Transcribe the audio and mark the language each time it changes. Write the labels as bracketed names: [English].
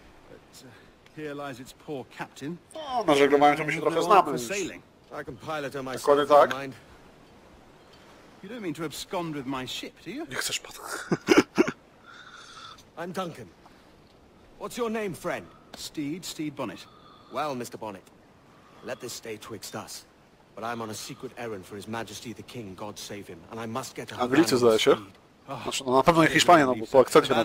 [English] But here lies its poor captain. [Polish] O, na żeglowaniu to my się trochę znamy. [English] I can pilot on my ship. [Polish] Dokładnie tak. [English] You don't mean to abscond with my ship, do you? [Polish] Nie chcesz pod. [English] I'm Duncan. What's your name, friend? Steed Bonnet. Well, Mr. Bonnet, let this stay twixt us. But I'm on a secret errand for His Majesty the King, God save him, and I must get to [Polish] Havana. Anglicy, zdaje się. Znaczy, no na pewno nie Hiszpania, no bo po akcencie na